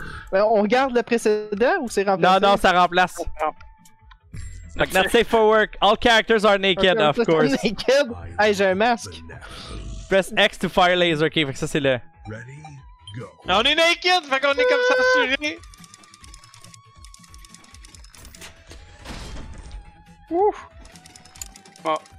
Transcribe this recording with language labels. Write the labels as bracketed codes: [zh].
[fr] Ben, on garde le précédent ou c'est remplacé? Non, non, ça remplace. Fait que, [en] not safe for work. All characters are naked, of course. [fr] Naked? Hey, j'ai un masque. [en] Press X to fire laser, ok, [fr] fait que ça, c'est le. [en] Ready, go. [fr] On est naked, fait qu'on est comme ça, assuré. Ouf! Bon.